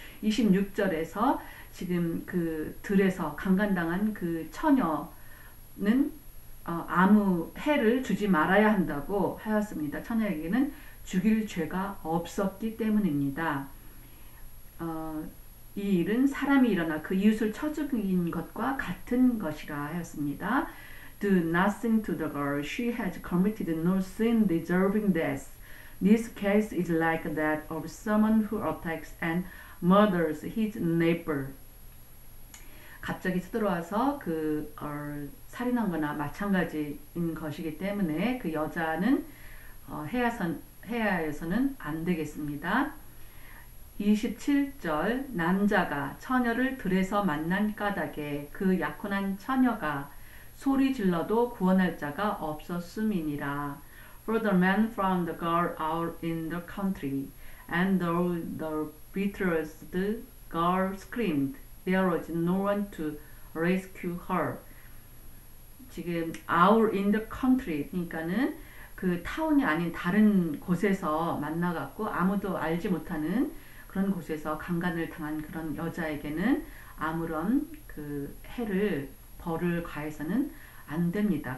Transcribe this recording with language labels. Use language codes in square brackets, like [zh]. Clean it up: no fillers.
[ko] 26절에서 지금 그 들에서 강간당한 그 처녀는 아무 해를 주지 말아야 한다고 하였습니다. 처녀에게는 죽일 죄가 없었기 때문입니다. 이 일은 사람이 일어나 그 이웃을 쳐 죽인 것과 같은 것이라 하였습니다. [en] Do nothing to the girl. She has committed no sin deserving death. This case is like that of someone who attacks and murders his neighbor. [ko] 갑자기 쳐들어와서 그 살인한 거나 마찬가지인 것이기 때문에 그 여자는 해야해서는 안 되겠습니다. 27절 남자가 처녀를 들에서 만난 까닭에 그 약혼한 처녀가 소리 질러도 구원할 자가 없었음이니라. [en] For the man found the girl out in the country, and though the betrothed girl screamed, there was no one to rescue her. [ko] 지금 [en] out in the country, [ko] 그러니까는 그 타운이 아닌 다른 곳에서 만나갖고 아무도 알지 못하는 그런 곳에서 강간을 당한 그런 여자에게는 아무런 그 해를 벌을 가해서는 안 됩니다.